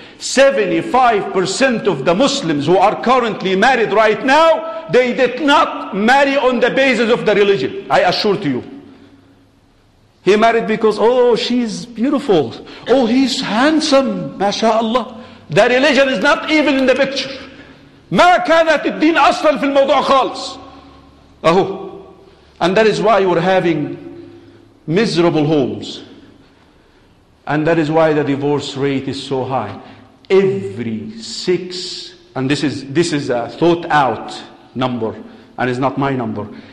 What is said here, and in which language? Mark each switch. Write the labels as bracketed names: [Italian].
[English] 75% of the Muslims who are currently married right now, they did not marry on the basis of the religion. I assure you. He married because, oh, she's beautiful. Oh, he's handsome. MashaAllah. The religion is not even in the picture. [Arabic] ما كانت الدين أصلا في الموضوع خالص. Oh. [English] And that is why we're having miserable homes. And that is why the divorce rate is so high. Every six, and this is a thought out number, and it's not my number.